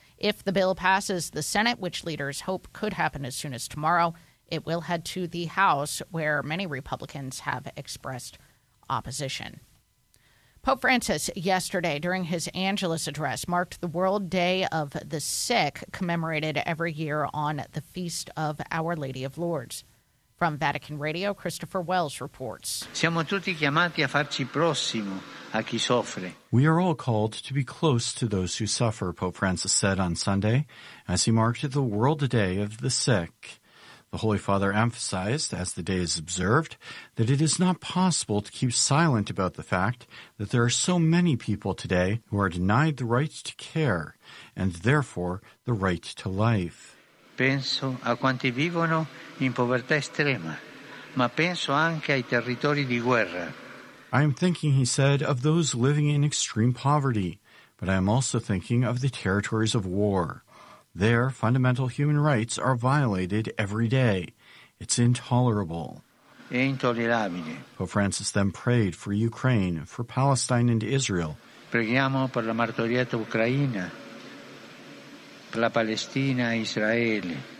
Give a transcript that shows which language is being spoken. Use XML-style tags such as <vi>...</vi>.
<en>If the bill passes the Senate, which leaders hope could happen as soon as tomorrow, it will head to the House, where many Republicans have expressed opposition. Pope Francis, yesterday during his Angelus address, marked the World Day of the Sick, commemorated every year on the Feast of Our Lady of Lourdes. From Vatican Radio, Christopher Wells reports.</en> <it>Siamo tutti chiamati a farci prossimo a chi soffre.</it> <en>We are all called to be close to those who suffer, Pope Francis said on Sunday, as he marked the World Day of the Sick. The Holy Father emphasized, as the day is observed, that it is not possible to keep silent about the fact that there are so many people today who are denied the right to care, and therefore the right to life.</en> <it>Penso a quanti vivono in povertà estrema, ma penso anche ai territori di guerra.</it> <en>I am thinking, he said, of those living in extreme poverty, but I am also thinking of the territories of war. There, fundamental human rights are violated every day. It's intolerable.</en> <it>È intollerabile.</it> <en>Pope Francis then prayed for Ukraine, for Palestine and Israel.</en> <it>Preghiamo per la martoriata Ucraina, per la Palestina e Israele.</it>